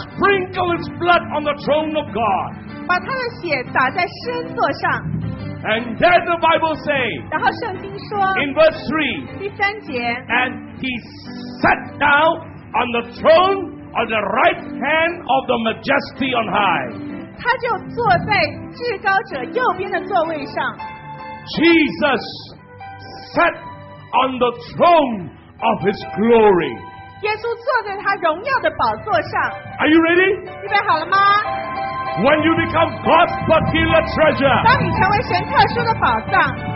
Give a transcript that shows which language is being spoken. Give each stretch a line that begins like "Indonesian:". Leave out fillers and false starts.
English: sprinkled His blood on the throne of God,
Chinese: 把他的血洒在施恩座上,
English: and then the Bible says,
Chinese: 然后圣经说,
English: in verse 3,
Chinese: 第三节,
English: and He sat down on the throne on the right hand of the Majesty on high.
Chinese: 他就坐在至高者右边的座位上。
English: Jesus sat on the throne of His glory.
Chinese: 耶稣坐在他荣耀的宝座上。
English: Are you ready?
Chinese: 预备好了吗？
English: When you become God's particular treasure,
Chinese: 当你成为神特殊的宝藏。